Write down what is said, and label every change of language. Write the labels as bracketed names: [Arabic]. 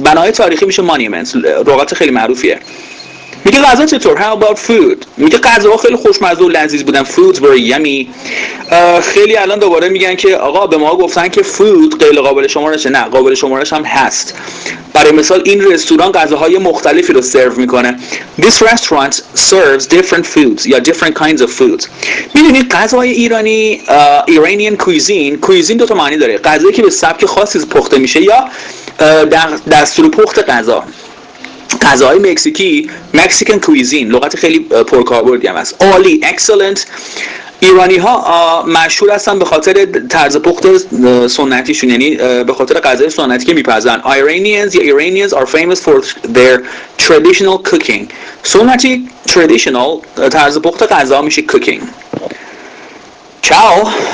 [Persian] بنای تاریخی میشه monuments، لغت خیلی معروفیه. میگه غذا چطور؟ [English] How about food؟ [Persian] میگه غذاها خیلی خوشمزه و لذیذ بودن. [English] Foods were yummy. [Persian] خیلی الان دوباره میگن که آقا به ما گفتن که food غیر قابل شمارش. نه، قابل شمارش هم هست. برای مثال این رستوران غذاهای مختلفی رو سرو میکنه. [English] This restaurant serves different foods. یا different kinds of foods. [Persian] میدونید غذاهای ایرانی [English] Iranian cuisine. [Persian] Cuisine دوتا معنی داره. غذایی که به سبک خاصی پخته میشه یا دستور پخت غذا. غذاهای مکزیکی [English] Mexican cuisine [Persian] لغت خیلی پرکاربردی هم هست. عالی، excellent. ایرانی ها مشهور هستن به خاطر طرز پخت سنتیشون، یعنی به خاطر غذای سنتی که میپزن. [English] Iranians یا Iranians are famous for their traditional cooking. [Persian] سنتی traditional طرز پخت غذا میشه cooking. چاو.